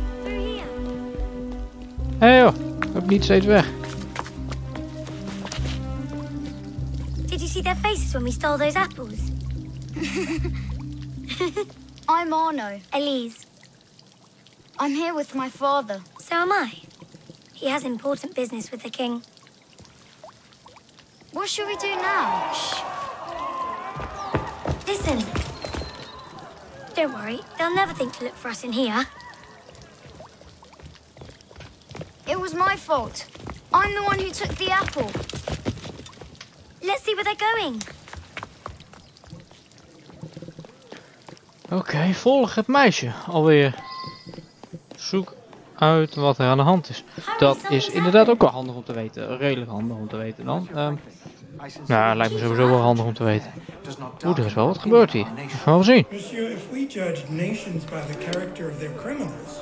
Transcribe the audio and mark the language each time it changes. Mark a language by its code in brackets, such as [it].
[en] we're here. [nl] Hey joh, loop niet steeds weg. [en] see their faces when we stole those apples. I'm Arno. Elise. I'm here with my father. So am I. He has important business with the king. What should we do now? Shh. Listen. Don't worry. They'll never think to look for us in here. It was my fault. I'm the one who took the apple. Let's see where they're going. [nl] Okay, volg het meisje alweer. Zoek uit wat er aan de hand is. Dat is inderdaad ook wel handig om te weten. Redelijk handig om te weten dan. Nou, lijkt me sowieso wel handig om te weten. Oeh, er is wel wat gebeurd hier. Dat gaan we zien. [en] Monsieur, if we judge nations by the character of their criminals...